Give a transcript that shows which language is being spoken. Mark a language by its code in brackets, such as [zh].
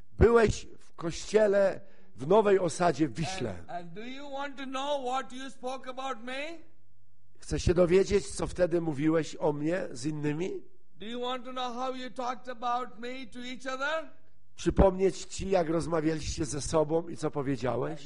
[pl] Byłeś w kościele w Nowej Osadzie w Wiśle. [en] And do you want to know what you spoke about me? [pl] Chcesz się dowiedzieć, co wtedy mówiłeś o mnie z innymi? [en] Do you want to know how you talked about me to each other? [pl] Przypomnieć ci, jak rozmawialiście ze sobą i co powiedziałeś?